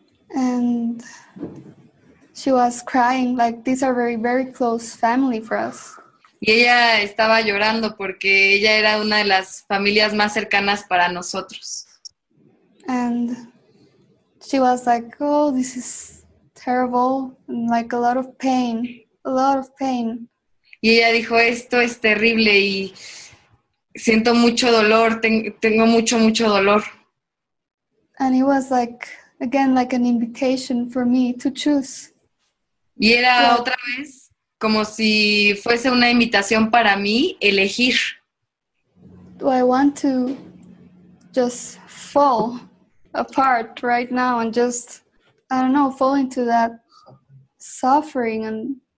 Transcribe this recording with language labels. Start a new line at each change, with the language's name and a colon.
English: And she was crying, like, these are very, very close family for us.
Spanish: Y ella estaba llorando porque ella era una de las familias más cercanas para nosotros.
English: And she was like, oh, this is terrible, and like a lot of pain. A lot of pain.
Spanish: Y ella dijo, esto es terrible y siento mucho dolor, tengo mucho, mucho dolor.
English: And it was like, again, like an invitation for me to choose.
Spanish: Y era otra vez como si fuese una invitación para mí elegir.
English: Do I want to just fall apart right now and just, I don't know, fall into that suffering and